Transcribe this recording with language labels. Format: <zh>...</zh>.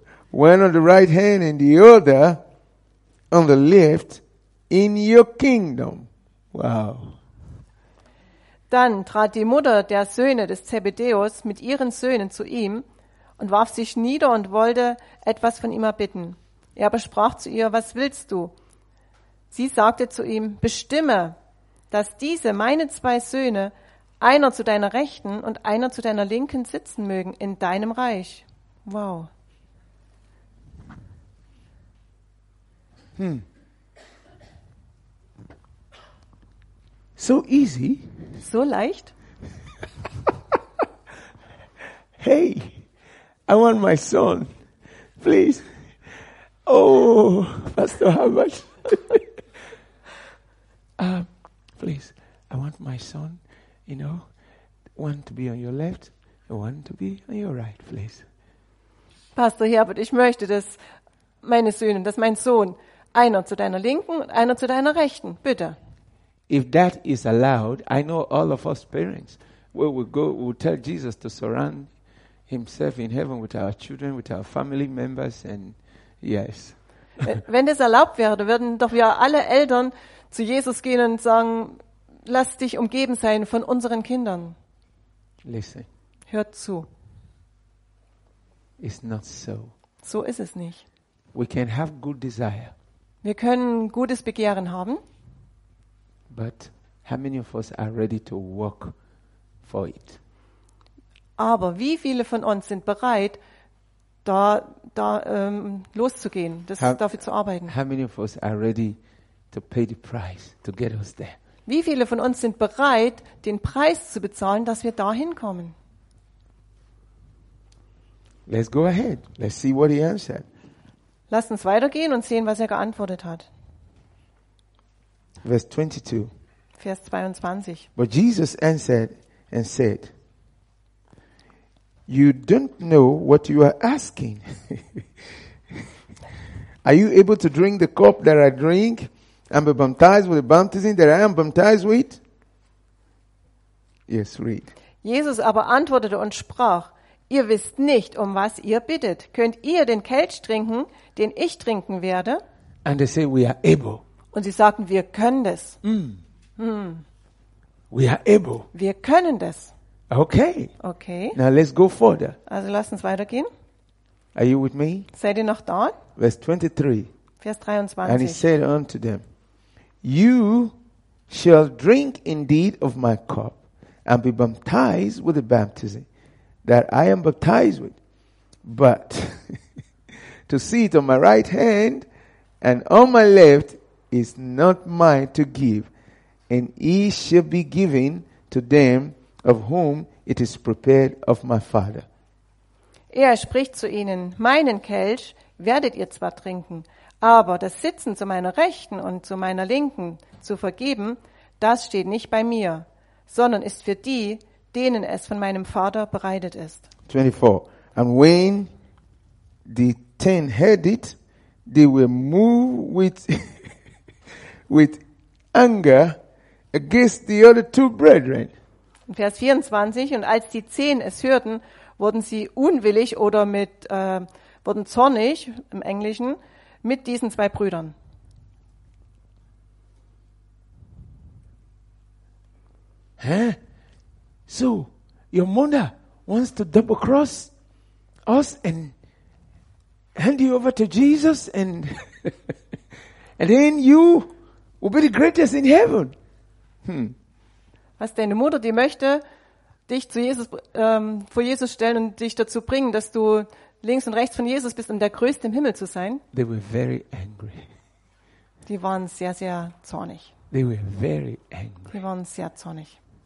<en>One on the right hand and the other on the left in your kingdom. Wow.</en> <de>Dann trat die Mutter der Söhne des Zebedäus mit ihren Söhnen zu ihm und warf sich nieder und wollte etwas von ihm erbitten. Er aber sprach zu ihr, was willst du? Sie sagte zu ihm, bestimme, dass diese meine zwei Söhne, einer zu deiner Rechten und einer zu deiner Linken sitzen mögen in deinem Reich.</de> <en>Wow. So easy.</en> <de>So leicht.</de> <en>Hey, I want my son. Please. Oh, Pastor Hamas. please, I want my son, you know, one to be on your left, one to be on your right, please.</en> <de>Pastor Herbert, ich möchte, dass mein Sohn, einer zu deiner Linken und einer zu deiner Rechten, bitte.</de> <en>If that is allowed, I know all of us parents, we will go, we will tell Jesus to surround, himself in heaven with our children, with our family members, and yes.</en> <de>Wenn das erlaubt wäre, würden doch wir alle Eltern zu Jesus gehen und sagen, lass dich umgeben sein von unseren Kindern.</de> <en>Listen.</en> <de>Hört zu.</de> <en>It's not so.</en> <de>So ist es nicht.</de> <en>We can have good desire.</en> <de>Wir können gutes Begehren haben.</de> <en>But how many of us are ready to work for it?</en> <de>Aber wie viele von uns sind bereit, da loszugehen, dafür zu arbeiten?</de> <en>How many of us are ready to pay the price to get us there?</en> <de>Wie viele von uns sind bereit, den Preis zu bezahlen, dass wir da hinkommen?</de> <en>Let's go ahead. Let's see what he answered.</en> <de>Lasst uns weitergehen und sehen, was er geantwortet hat.</de> <en>Verse 22.</en> <de>Vers 22.</de> <en>But Jesus answered and said, you don't know what you are asking. Are you able to drink the cup that I drink and be baptized with the baptism that I am baptized with? Yes, read.</en> <de>Jesus aber antwortete und sprach, ihr wisst nicht, um was ihr bittet. Könnt ihr den Kelch trinken, den ich trinken werde?</de> <en>And they say, we are able.</en> <de>Und sie sagten, wir können das.</de> <en>We are able.</en> <de>Wir können das.</de> <en>Okay.</en> <de>Okay.</de> <en>Now let's go further.</en> <de>Also lasst uns weitergehen.</de> <en>Are you with me?</en> <de>Seid ihr noch da?</de> <en>Verse 23.</en> <de>Vers 23.</de> <en>And he said unto them, you shall drink indeed of my cup and be baptized with the baptism that I am baptized with, but to sit on my right hand and on my left is not mine to give, and it shall be given to them of whom it is prepared of my Father.</en> <de>Er spricht zu ihnen, meinen Kelch werdet ihr zwar trinken, aber das Sitzen zu meiner Rechten und zu meiner Linken zu vergeben, das steht nicht bei mir, sondern ist für die, denen es von meinem Vater bereitet ist.</de> <en>24. And when the 10 heard it, they were moved with anger against the other two brethren.</en> <de>Vers 24. Und als die 10 es hörten, wurden sie unwillig oder wurden zornig im Englischen mit diesen zwei Brüdern. Hä?</de> <en>So, your mother wants to double cross us and hand you over to Jesus and then you will be the greatest in heaven.</en> <de>Was deine Mutter, die möchte dich zu Jesus vor Jesus stellen und dich dazu bringen, dass du links und rechts von Jesus bist, um der Größte im Himmel zu sein.</de> <en>They were very angry.</en> <de>Die waren sehr, sehr zornig.</de> <en>They were very angry.</en> <de>Die waren sehr zornig.</de>